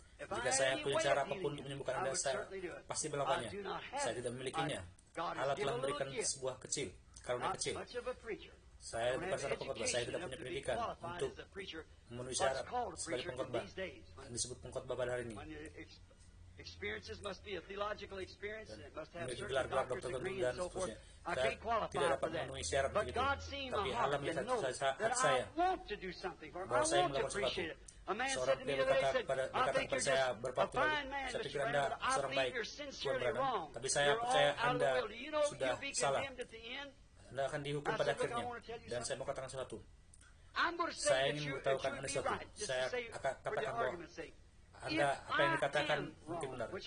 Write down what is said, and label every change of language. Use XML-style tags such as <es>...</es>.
<id>Jika saya punya cara apapun untuk menyembuhkan Anda, saya pasti melakukannya. Saya tidak memilikinya. Allah telah memberikan sebuah kecil, karunia kecil. Saya bukan seorang pengkhotbah, saya tidak punya pendidikan untuk memenuhi syarat sebagai pengkhotbah. Yang disebut pengkhotbah pada hari ini.</id> <en>Experiences must be a theological experience and must have certain gelar doctor's degree and so forth. I can't qualify for that.</en> <id>Syarat</id> <en>but God seemed to have to know that I want to do something for him. I want to appreciate it. A man said to me the other day, said, I think you're just a fine man, Mr. Brandon, but I believe you're sincerely wrong.</en> <id>Tapi saya percaya Anda sudah salah. Anda akan dihukum pada akhirnya. Dan saya mau katakan sesuatu. Saya ingin memberitahukan Anda sesuatu. Saya akan katakan bahwa Anda, apa yang dikatakan mungkin benar.</id>